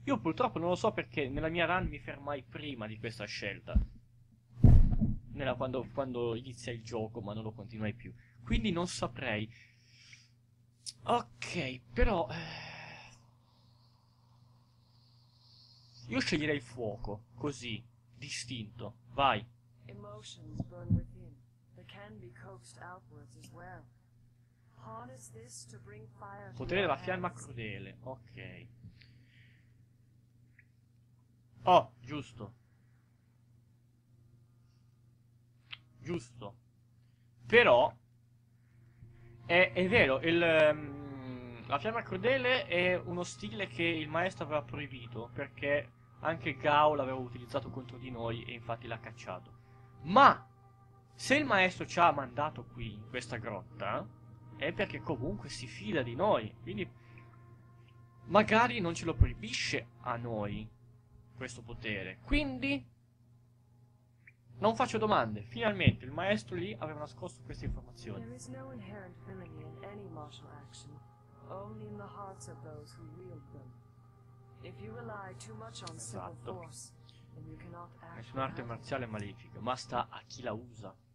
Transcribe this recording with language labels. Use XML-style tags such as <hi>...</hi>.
<it>Io purtroppo non lo so, perché nella mia run mi fermai prima di questa scelta, quando inizia il gioco, ma non lo continuai più. Quindi non saprei. Ok, però io sceglierei il fuoco, così, distinto. Vai.</it> <en>Emotions burn within, they can be coaxed outwards as well. Harness this to bring fire.</en> <it>Potere della fiamma crudele, ok. Oh, giusto. Giusto. Però è vero, la fiamma crudele è uno stile che il maestro aveva proibito, perché anche Gao l'aveva utilizzato contro di noi e infatti l'ha cacciato. Ma se il maestro ci ha mandato qui in questa grotta, è perché comunque si fida di noi, quindi magari non ce lo proibisce a noi questo potere. Quindi non faccio domande. Finalmente il maestro lì aveva nascosto queste informazioni.</it> <en>There is no inherent villainy in any martial action, only in the hearts of those who wield them. If you rely too much on simple force, then you cannot act.</en> <it>È un'arte marziale malefica, ma sta a chi la usa.</it>